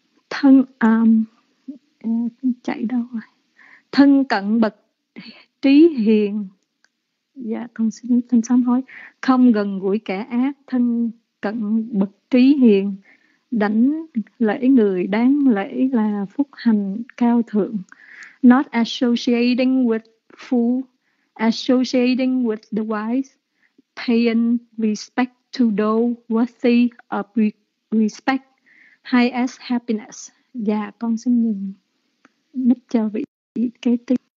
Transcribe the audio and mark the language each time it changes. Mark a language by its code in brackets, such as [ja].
[vi] Thân chạy đâu rồi? Thân cận bậc trí hiền. Dạ con xin thân sám hối. Không gần gũi kẻ ác, thân cận bậc trí hiền. Đảnh lễ người đáng lễ là phúc hành cao thượng. [en] Not associating with fool, associating with the wise. Paying respect to those worthy of respect, highest happiness. [vi] Dạ con xin nhường mic cho vị kế tiếp.